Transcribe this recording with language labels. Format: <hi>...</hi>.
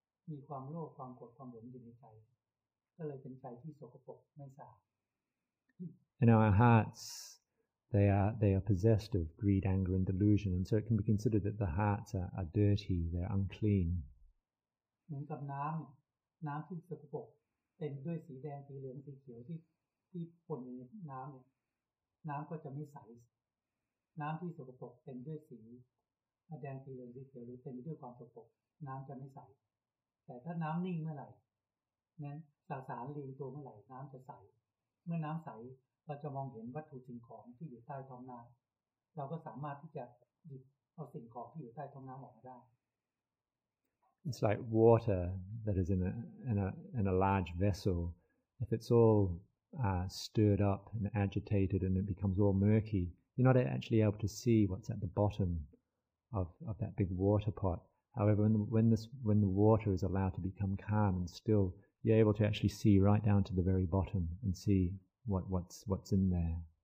<th>มีความโลภความโกรธความหลงอยู่ในใจก็เลยเป็นใจที่สกปรกไม่สะอาด</th> <en>And our hearts they are possessed of greed, anger and delusion, and so it can be considered that the hearts are dirty, they're unclean.</en> <th>เหมือนกับน้ำน้ำที่สกปรกเต็มด้วยสีแดงสีเหลืองสีเขียวที่ปนในน้ำน้ำก็จะไม่ใสน้ำที่สกปรกเต็มด้วยสีแดงสีเหลืองสีเขียวหรือเต็มด้วยความสกปรกน้ำจะไม่ใสแต่ถ้าน้ำนิ่งเมื่อไหร่นั้นสารลีนตัวเมื่อไหร่น้ำจะใสเมื่อน้ำใสเราจะมองเห็นวัตถุสิ่งของที่อยู่ใต้ท้องน้ำเราก็สามารถที่จะหยิบเอาสิ่งของที่อยู่ใต้ท้องน้ำออกมาได้</th> <en>It's like water that is in a large vessel. If it's all stirred up and agitated and it becomes all murky, you're not actually able to see what's at the bottom of that big water pot. However, when the water is allowed to become calm and still, you're able to actually see right down to the very bottom and see what's in there.</en>